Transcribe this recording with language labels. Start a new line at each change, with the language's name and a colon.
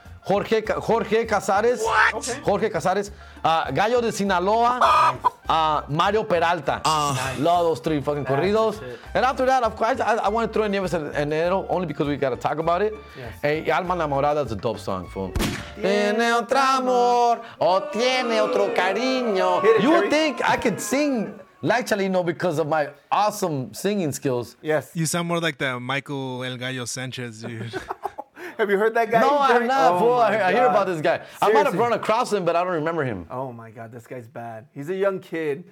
English: Jorge Casares. What? Okay. Jorge Casares. Gallo de Sinaloa. Nice. Mario Peralta. Nice. Love those three fucking corridos. And after that, of course, I want to throw in Nieves Enero only because we got to talk about it. Yes. Hey, Alma Enamorada is a dope song, fool.
Spanish: Tiene otro amor o tiene otro cariño.
English: You would think I could sing like Chalino because of my awesome singing skills. Yes. You sound more like the Michael El Gallo Sanchez, dude. Have you heard that guy? No, I'm not, fool. I hear about this guy. Seriously. I might have run across him, but I don't remember him. Oh, my God. This guy's bad. He's a young kid.